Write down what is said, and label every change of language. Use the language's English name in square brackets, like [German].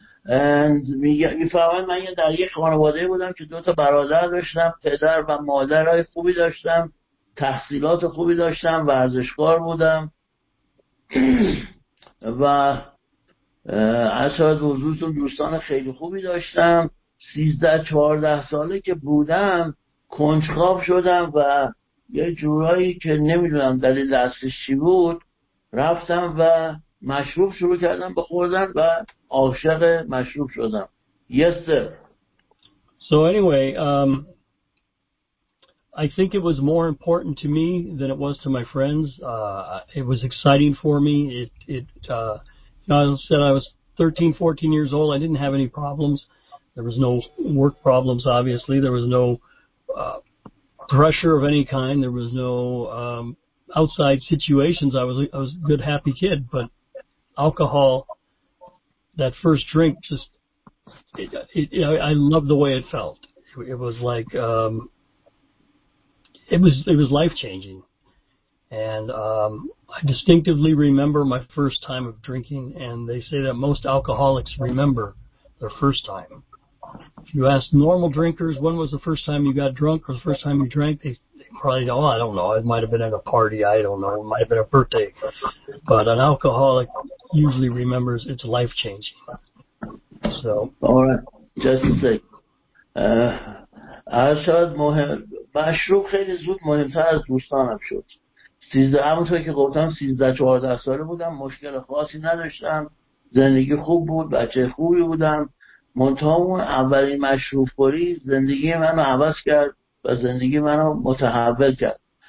[Persian] And میفهمم من در یک خانواده بودم که دو تا برادر داشتم، پدر و مادرای خوبی داشتم، تحصیلات خوبی داشتم، ورزشکار بودم و اساتید حضورتون دوستان خیلی خوبی داشتم. 13-14 ساله که بودم کنجکاو شدم و یه جورایی که نمیدونم دلیل اصلش چی بود رفتم و مشروب شروع کردم به خوردن و عاشق مشروب شدم. [English] Yes, sir. So anyway, I think it was more important to me than it was to my friends. It was exciting for me. I said I was 13, 14 years old. I didn't have any problems. There was no work problems, obviously. There was no pressure of any kind. There was no outside situations. I was a good, happy kid, but alcohol, that first drink, just I loved the way it felt. It was like it was life changing, and I distinctively remember my first time of drinking. And they say that most alcoholics remember their first time. If you ask normal drinkers, when was the first time you got drunk or the first time you drank, they probably go, I don't know. It might have been at a party. I don't know. It might have been a birthday. But an alcoholic usually remembers it's life changing. So. All right. Just a sec. I said, [Persian] مشروب خیلی زود مهمتر از دوستانم شد. همونطور که گفتم 13-14 ساله بودم، مشکل خاصی نداشتم، زندگی خوب بود، بچه خوبی بودم. منتهاون اولین مشروب خوری زندگی منو عوض کرد و زندگی منو متحول کرد.